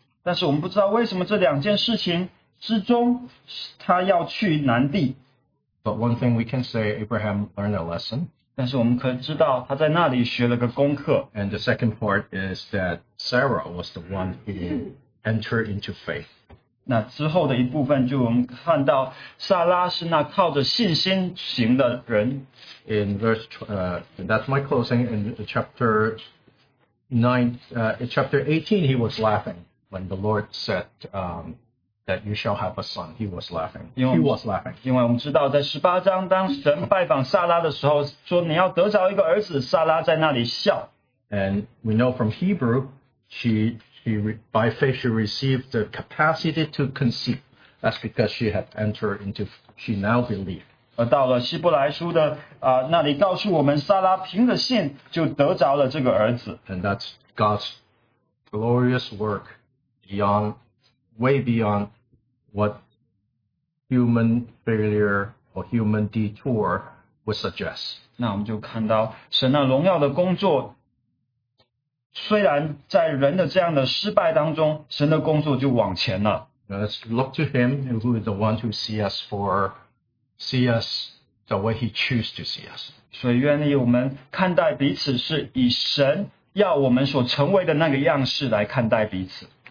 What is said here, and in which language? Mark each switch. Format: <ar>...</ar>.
<zh>但是我们不知道为什么这两件事情之中他要去南地。</zh> <en>But one thing we can say, Abraham learned a lesson.</en> <zh>但是我们可知道他在那里学了个功课。</zh> <en>And the second part is that Sarah was the one who entered into faith.</en> <zh>那之后的一部分就我们看到撒拉是那靠着信心行的人。</zh> <en>In verse, that's my closing. In chapter 18, he was laughing when the Lord said, that you shall have a son. He was laughing. He was laughing.</en> <zh>因为我们知道，在十八章，当神拜访撒拉的时候，说你要得着一个儿子，撒拉在那里笑。</zh> <en>And we know from Hebrew, she by faith she received the capacity to conceive. That's because she had entered into she now believed.</en> <zh>而到了希伯来书的那里告诉我们，撒拉凭着信就得着了这个儿子。</zh> <en>And that's God's glorious work beyond. Way beyond what human failure or human detour would suggest.</en> <zh>那我们就看到神那荣耀的工作，虽然在人的这样的失败当中，神的工作就往前了。</zh> <en>Let's look to Him, who is the one who see us the way He chooses to see us.</en> <zh>所以愿意我们看待彼此是以神要我们所成为的那个样式来看待彼此。</zh>